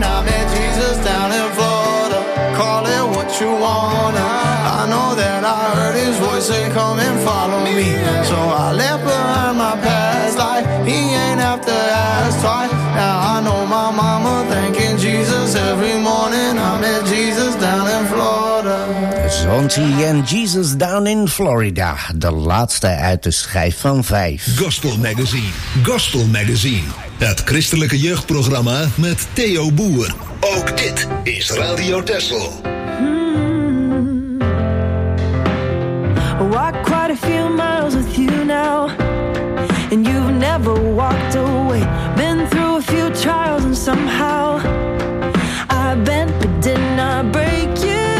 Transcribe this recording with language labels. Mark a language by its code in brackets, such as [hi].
[en] I met Jesus down in Florida, call it what you wanna. I know that I heard his voice say, come and follow me. So I left behind my past life, he ain't have to ask twice. Now I know my mama thanking Jesus every morning. I met Jesus down in Florida. [nl] Zonti en Jesus Down in Florida, de laatste uit de schijf van vijf. Gospel Magazine, Gospel Magazine. Het christelijke jeugdprogramma met Theo Boer. Ook dit is Radio Texel. [en] I walk quite a few miles with you now. And you've never walked away. Been through a few trials and somehow I bent but did not break you.